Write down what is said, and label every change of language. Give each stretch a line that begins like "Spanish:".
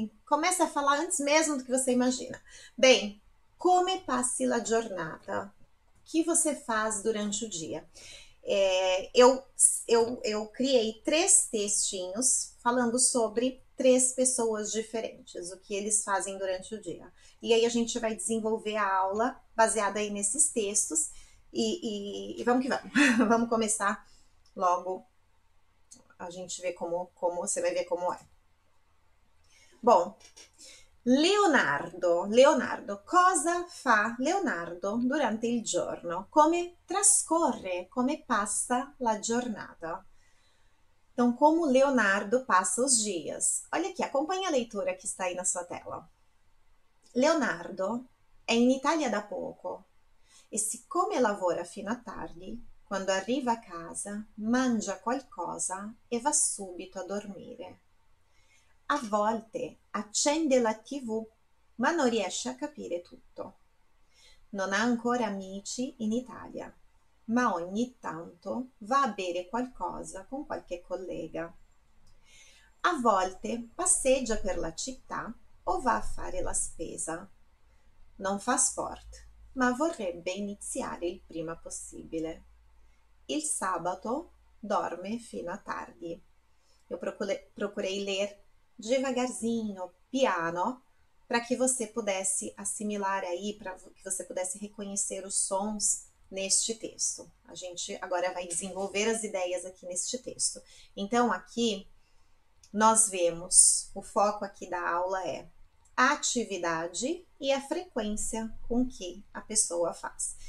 Portuguese: Começa a falar antes mesmo do que você imagina.
Italian: Bem, come passi la giornata?
Portuguese: O que você faz durante o dia? Eu criei três textinhos falando sobre três pessoas diferentes, o que eles fazem durante o dia. E aí a gente vai desenvolver a aula baseada aí nesses textos. E vamos que vamos. Vamos começar logo. A gente vê como você vai ver como é.
Italian: Bom, Leonardo, cosa fa Leonardo durante il giorno? Come trascorre, come passa la giornata?
Portuguese: Então, como Leonardo passa os dias? Olha aqui, acompanha a leitura que está aí na sua tela.
Italian: Leonardo è in Italia da poco. E siccome lavora fino a tardi, quando arriva a casa, mangia qualcosa e va subito a dormire. A volte accende la TV, ma non riesce a capire tutto. Non ha ancora amici in Italia. ma ogni tanto va a bere qualcosa con qualche collega. A volte passeggia per la città o va a fare la spesa. Non fa sport, ma vorrebbe iniziare il prima possibile. Il sabato dorme fino a tardi.
Portuguese: Io procurei ler devagarzinho, piano, para que você pudesse assimilar aí, para que você pudesse reconhecer os sons neste texto. A gente agora vai desenvolver as ideias aqui neste texto. Então, aqui nós vemos, o foco aqui da aula é a atividade e a frequência com que a pessoa faz.